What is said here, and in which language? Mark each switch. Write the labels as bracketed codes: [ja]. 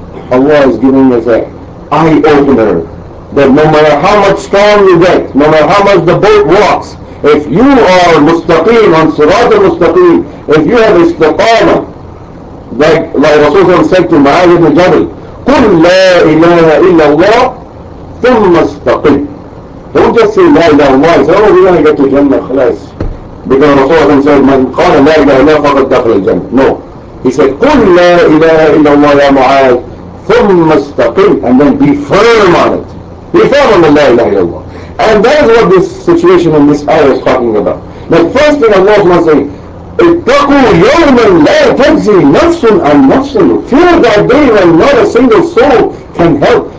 [en] Allah is giving us an eye-opener. That no matter how much storm you get, no matter how much the boat rocks, if you are mustaqim on Sirat al-Mustaqim, if you have istiqama, like Rasulullah said to Ma'ad ibn Jabal, [ar] قُلْ لَا إِلَهَ إِلَّا اللَّهُ ثُمَّ اسْتَقِمْ. [en] Don't just say La ilaha illallah and say, oh, we're going to get to Jannah, khalas. Because Rasulullah said, [ar] مَنْ قَالَ لَا إِلَهَ إِلَّا فَقَدْ دَخْلَ الْجَنَّةِ. [en] No. He said, [ar] قُلْ لَا إِلَهَ إِلَّا اللَّهُ يَا مُعَاد ثُمَّ اسْتَقِمْ. [en] And then be firm on it. Be firm on the La ilaha illallah. And that is what this situation in this ayah is talking about. The first thing Allah is saying, [ar] اتقوا يوما لا تجزي نفس عن نفس. [en] Fear that day when not a single soul can help.